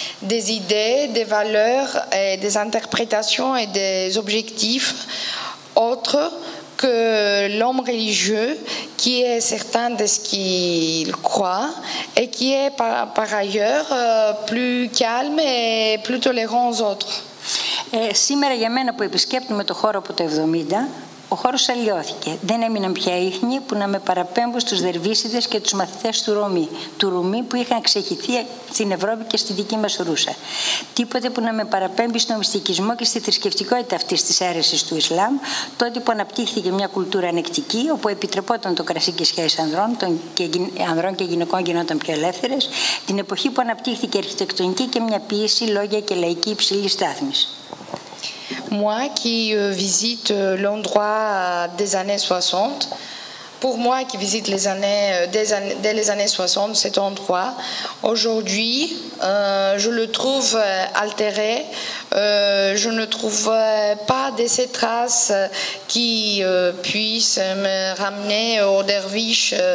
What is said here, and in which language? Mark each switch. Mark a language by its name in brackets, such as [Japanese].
[French] des idées, des valeurs, des interprétations et des objectifs autres que l'homme religieux qui est certain de ce qu'il croit et qui est par ailleurs plus calme et plus tolérant aux autres. [Greek] Σήμερα για μένα που επισκέπτομαι το χώρο από το 70, ο χώρος αλλοιώθηκε. Δεν έμειναν πια ίχνη που να με παραπέμπω στους δερβίσιδες και τους μαθητές του Ρουμί που είχαν ξεχυθεί στην Ευρώπη και στη δική μας Ρούσα. Τίποτε που να με παραπέμπει στο μυστικισμό και στη θρησκευτικότητα αυτής της αίρεσης του Ισλάμ, τότε που αναπτύχθηκε μια κουλτούρα ανεκτική, όπου επιτρεπόταν το κρασί και σχέσεις ανδρών και γυναικών γινόταν πιο ελεύθερες, την εποχή που αναπτύχθηκε αρχιτεκτονική και μια ποιήση, λόγια και λαϊκή υψηλή στάθμη. [French] Moi qui visite l'endroit des années 60, pour moi qui visite dès les années 60 cet endroit, aujourd'hui je le trouve altéré, je ne trouve pas de ces traces qui puissent me ramener aux derviches